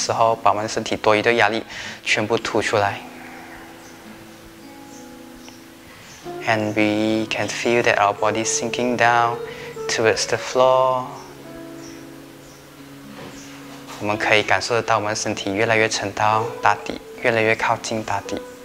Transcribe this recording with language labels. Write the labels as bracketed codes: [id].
[zh] 我们吐气的时候，把我们身体多余的压力全部吐出来. [en] And we can feel that our body sinking down towards the floor. [zh] 我们可以感受得到我们身体越来越沉到大底, 越来越靠近大底.